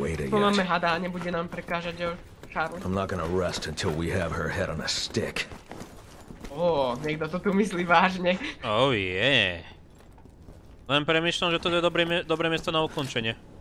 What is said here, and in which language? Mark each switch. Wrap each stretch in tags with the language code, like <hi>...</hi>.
<sk>Tu máme hada a nebude nám prekážať ďal. Charlie.</sk> <en>I'm not gonna rest until we have her head on a stick.</en> <sk>Oh, niekto to tu myslí vážne.</sk> <en>Oh yeah.</en> <sk>Len premyšľam, že to je dobré miesto na ukončenie.</sk>